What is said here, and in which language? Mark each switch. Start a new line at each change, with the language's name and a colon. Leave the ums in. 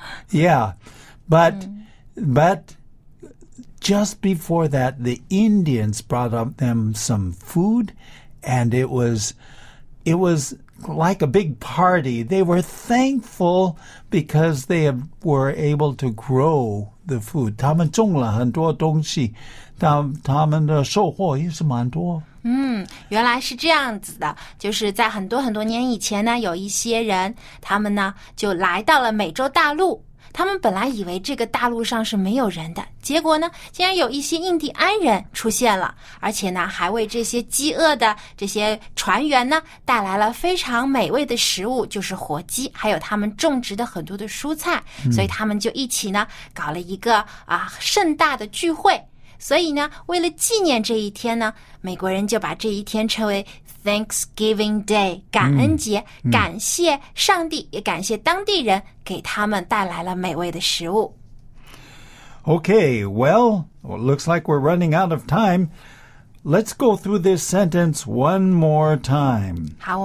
English: yeah, but, but just before that, the Indians brought them some food, and it was it was like a big party. They were thankful because they were able to grow the food.
Chinese: 他们种了很多东西，他他们的收获也是蛮多。嗯，原来是这样子的，就是在很多很多年以前呢，有一些人，他们呢就来到了美洲大陆，他们本来以为这个大陆上是没有人的，结果呢，竟然有一些印第安人出现了，而且呢，还为这些饥饿的这些船员呢带来了非常美味的食物，就是火鸡，还有他们种植的很多的蔬菜，所以他们就一起呢搞了一个啊盛大的聚会。所以呢，为了纪念这一天呢，美国人就把这一天称为。 Thanksgiving Day，感恩节，嗯嗯、感谢上帝，也感谢当地人给他们带来了美味的食物。
English: Okay, well, looks like we're running out of time. Let's go through this sentence one more time.